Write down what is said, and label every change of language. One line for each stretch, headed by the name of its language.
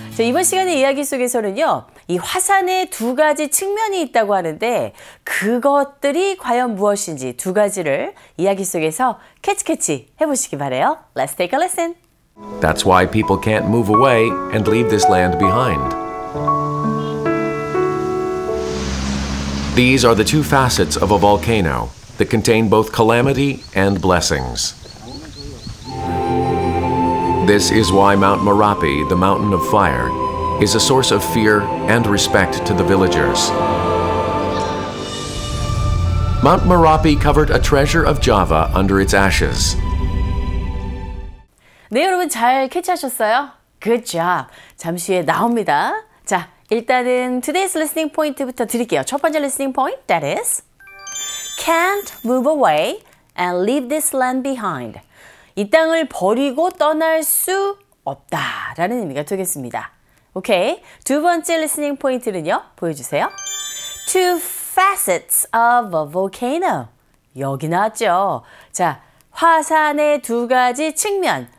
Korean: 자, 이번 시간의 이야기 속에서는요, 이 화산의 두 가지 측면이 있다고 하는데 그것들이 과연 무엇인지 두 가지를 이야기 속에서 캐치 해보시기 바래요.
English: Let's take a listen. That's why people can't move away and leave this land behind. These are the two facets of a volcano that contain both calamity and blessings. This is why Mount Merapi, the mountain of fire, is a source of fear and respect to the villagers. Mount Merapi covered a treasure of Java under its ashes.
Korean: 네, 여러분 잘 캐치하셨어요?
English: Good job.
Korean: 잠시 후에 나옵니다. 자, 일단은
English: today's listening point
Korean: 부터 드릴게요. 첫 번째
English: listening point, that is can't move away and leave this land behind.
Korean: 이 땅을 버리고 떠날 수 없다라는 의미가 되겠습니다. 오케이, 두 번째
English: listening point는요,
Korean: 보여주세요.
English: Two facets of a volcano.
Korean: 여기 나왔죠. 자, 화산의 두 가지 측면.